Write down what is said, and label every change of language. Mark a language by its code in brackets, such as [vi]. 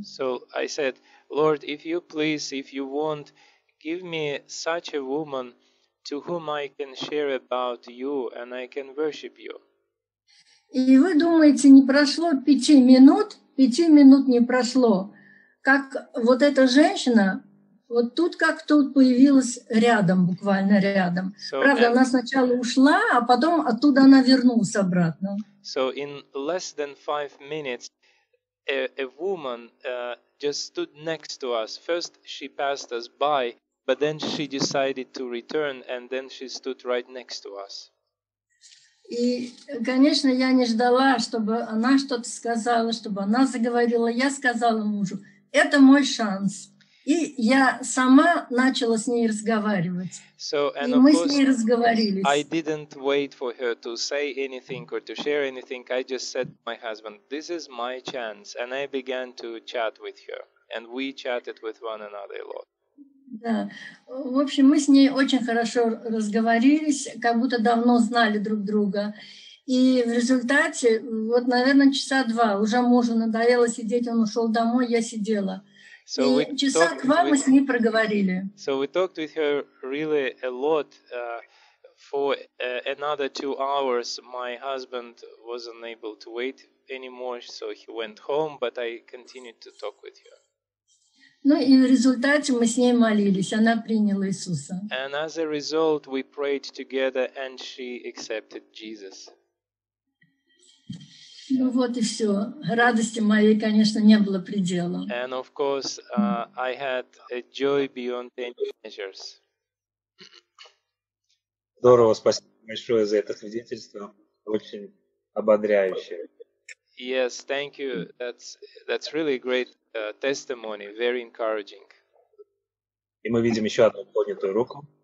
[en] So I said, Lord, if you please, if you want, give me such a woman to whom I can share about you and I can worship you. [ru] И вы думаете, не прошло пяти минут не прошло, как вот эта женщина вот тут как тут появилась рядом, буквально рядом. So, правда, она сначала ушла, а потом оттуда она вернулась обратно. [en] So in less than 5 minutes a woman just stood next to us. First she passed us by, but then she decided to return, and then she stood right next to us. [ru] И, конечно, я не ждала, чтобы она что-то сказала, чтобы она заговорила. Я сказала мужу, это мой шанс. И я сама начала с ней разговаривать. [en] So, and [ru] и мы [en] course, [ru] с ней разговаривались. [en] I didn't wait for her to say anything or to share anything. I just said to my husband, this is my chance. And I began to chat with her. And we chatted with one another a lot. [ru] Да. В общем, мы с ней очень хорошо разговорились, как будто давно знали друг друга. И в результате, вот, наверное, часа два, уже мужу надоело сидеть, он ушел домой, я сидела. [en] So [ru] и часа два мы с ней проговорили. [en] So we talked with her really a lot. For another 2 hours, my husband wasn't able to wait anymore, so he went home, but I continued to talk with her. [ru] Ну и в результате мы с ней молились, она приняла Иисуса. [en] And as a result, we prayed together and she accepted Jesus. [ru] Ну вот и все. Радости моей, конечно, не было предела. [en] And of course, I had a joy beyond any measures. [ru] Здорово, спасибо большое за это свидетельство. Очень ободряюще. [en] Yes, thank you. That's really great testimony. Very encouraging. [ru] И мы видим еще одну поднятую руку.